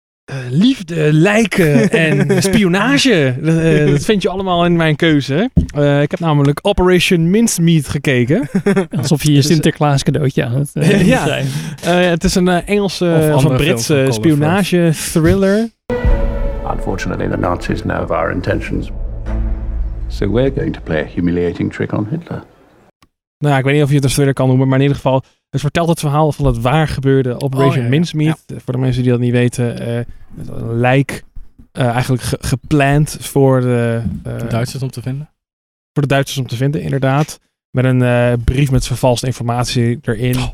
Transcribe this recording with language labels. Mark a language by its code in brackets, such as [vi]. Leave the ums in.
[nl] Uh, liefde, lijken en spionage. Uh, dat vind je allemaal in mijn keuze. Uh, ik heb namelijk Operation Mincemeat gekeken. Alsof je dus, je Sinterklaas cadeautje aan het ja. ja. het is een Engelse of, of, een Britse spionage frogs. thriller. [en] Unfortunately, the Nazis know of our intentions. So we're going to play a humiliating trick on Hitler. [nl] Nou, ja, ik weet niet of je het er verder kan noemen, maar in ieder geval, het dus vertelt het verhaal van het waar gebeurde Operation oh, ja. Ja. Voor de mensen die dat niet weten, uh, het een lijk uh, eigenlijk ge- gepland voor de, uh, de Duitsers om te vinden. Voor de Duitsers om te vinden, inderdaad. Met een uh, brief met vervalste informatie erin, oh.